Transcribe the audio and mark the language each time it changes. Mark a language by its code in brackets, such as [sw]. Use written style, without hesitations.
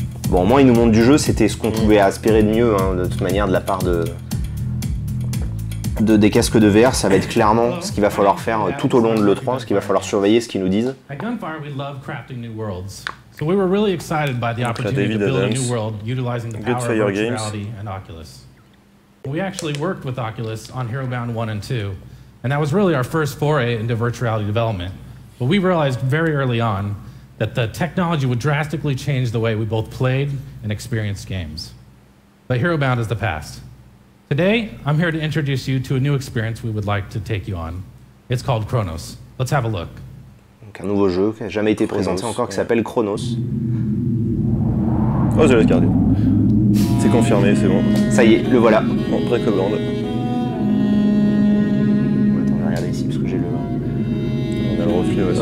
[fr] Bon, au moins, ils nous montrent du jeu. C'était ce qu'on pouvait aspirer de mieux, hein, de toute manière, de la part des casques de VR. Ça va être clairement ce qu'il va falloir faire tout au long de l'E3, ce qu'il va falloir surveiller, ce qu'ils nous disent. [en] À Gunfire, we love crafting new worlds. So we were really excited by the opportunity to build a new world utilizing the power of virtual reality and Oculus. We actually worked with Oculus on Herobound 1 and 2, and that was really our first foray into virtual reality development. But we realized very early on that the technology would drastically change the way we both played and experienced games. But Herobound is the past. Today, I'm here to introduce you to a new experience we would like to take you on. It's called Chronos. Let's have a look. [fr] Donc un nouveau jeu qui n'a jamais été Chronos, présenté encore, ouais. Qui s'appelle Chronos. Oh, je vais le garder. C'est confirmé, c'est bon. Ça y est, le voilà. Bon, précommande. Attends, on va regarder ici parce que j'ai le. On a le reflet aussi.